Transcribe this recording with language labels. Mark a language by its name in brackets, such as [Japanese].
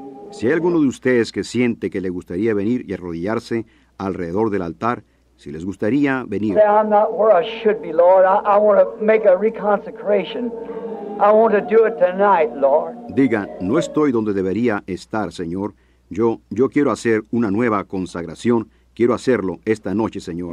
[Spanish] Si hay alguno de ustedes que siente que le gustaría venir y arrodillarse alrededor del altar, si les gustaría venir. [English] Say, I'm not where I should be, Lord. I want to make a reconsecration. I want to do it tonight, Lord. [Spanish] Diga, no estoy donde debería estar, Señor. Yo quiero hacer una nueva consagración. Quiero hacerlo esta noche, Señor.